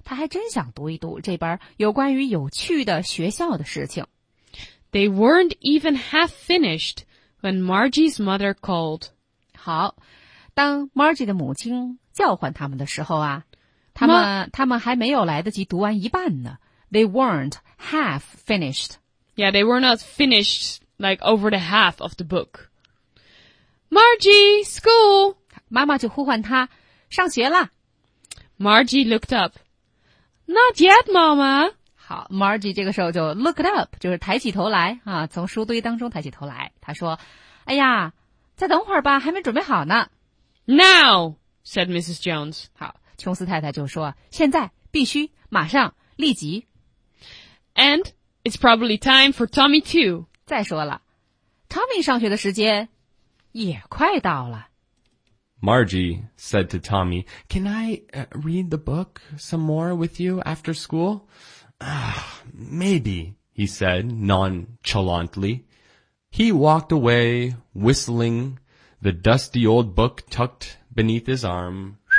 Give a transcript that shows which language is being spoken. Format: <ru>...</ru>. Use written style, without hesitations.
<zh>她还真想读一读这边有关于有趣的学校的事情。</zh> <en>They weren't even half finished when Margie's mother called.</en> <zh>好，当 Margie 的母亲叫唤他们的时候啊，他们还没有来得及读完一半呢。</zh> <en>They weren't half finished. Yeah, they were not finished like over the half of the book. Margie, school!</en> <zh>妈妈就呼唤她，上学了。</zh> <en>Margie looked up. Not yet,</en> <zh>妈妈。好， Margie 这个时候就</zh> <en>looked up,</en> <zh>就是抬起头来啊，从书堆当中抬起头来。她说，哎呀，再等会儿吧，还没准备好呢。</zh> <en>Now, said Mrs. Jones.</en> <zh>好，琼斯太太就说，现在，必须，马上，立即。</zh> <en>And it's probably time for Tommy too.</en> <zh>再说了，Tommy上学的时间也快到了。</zh> <en>Margie said to Tommy, Can I read the book some more with you after school? Maybe, he said nonchalantly. He walked away whistling... The dusty old book tucked beneath his arm.</en>